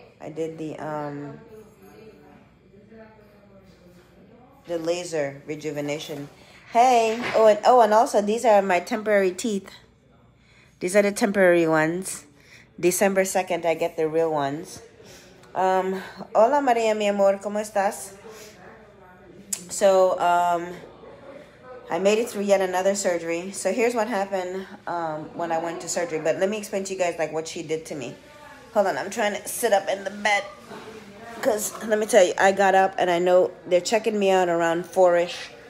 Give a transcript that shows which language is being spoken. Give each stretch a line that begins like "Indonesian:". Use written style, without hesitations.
English: I did the laser rejuvenation. Hey, and also these are my temporary teeth. These are the temporary ones. December 2nd, I get the real ones.
Spanish: Hola, Maria, mi amor, ¿cómo estás?
English: So, I made it through yet another surgery. So here's what happened when I went to surgery. But let me explain to you guys like what she did to me. Hold on, I'm trying to sit up in the bed. Because let me tell you, I got up and I know they're checking me out around 4-ish.